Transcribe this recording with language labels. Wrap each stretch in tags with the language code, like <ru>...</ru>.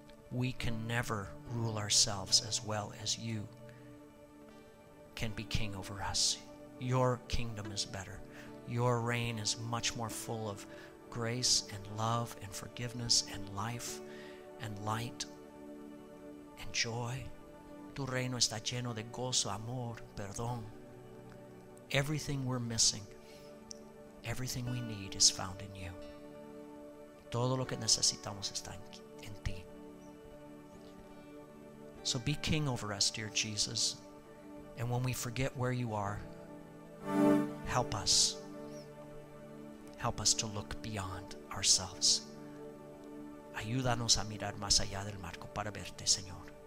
<en>We can never rule ourselves as well as you can be king over us. Your kingdom is better. Your reign is much more full of grace and love and forgiveness and life and light and joy.</en> <es>Tu reino está lleno de gozo, amor, perdón.</es> <en>Everything we're missing, everything we need is found in you.</en> <es>Todo lo que necesitamos está en ti.</es> <en>So be king over us, dear Jesus. And when we forget where you are, help us. Help us to look beyond ourselves.</en> <es>Ayúdanos a mirar más allá del marco para verte, Señor.</es>